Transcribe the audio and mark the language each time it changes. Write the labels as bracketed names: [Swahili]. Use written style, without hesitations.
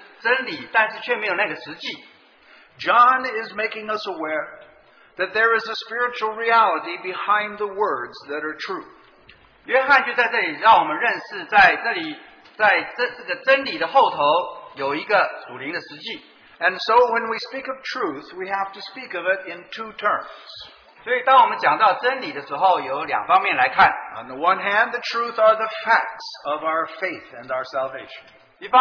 [Chinese] 但是也很可能人们会认识福音书里头所记载的事实,真理,但是却没有那个实际。 [English] John is making us aware that there is a spiritual reality behind the words that are true. [Chinese] 约翰就在这里让我们认识,在这里,在这个真理的后头有一个属灵的实际。 [English] And so when we speak of truth, we have to speak of it in two terms. [Chinese] 所以当我们讲到真理的时候,有两方面来看。 [English] On the one hand, the truth are the facts of our faith and our salvation.